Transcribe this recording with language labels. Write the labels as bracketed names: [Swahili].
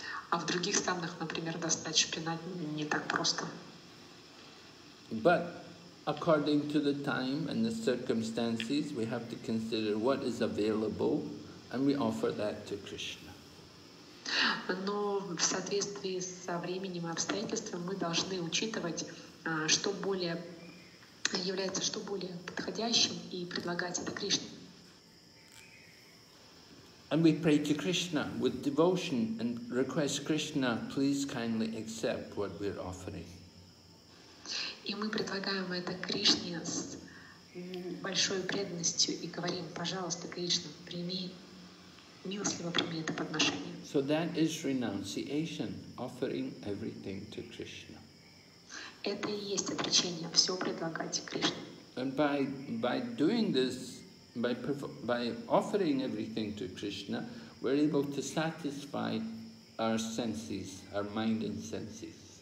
[Russian] А в других странах, например, достать шпинат не так просто. [English] But according to the time and the circumstances, we have to consider what is available, and we offer that to Krishna. [Russian] Но в соответствии со временем и обстоятельствами мы должны учитывать, что более является, что более подходящим, и предлагать это Кришне. [English] And we pray to Krishna with devotion and request Krishna, please kindly accept what we're offering. [Russian] И мы предлагаем это Кришне с большой преданностью и говорим: пожалуйста, Кришна, прими, милостиво прими это подношение. [English] So that is renunciation, offering everything to Krishna. [Russian] Это и есть отречение, все предлагать Кришне. [English] And by doing this, by offering everything to Krishna, we're able to satisfy our senses, our mind and senses.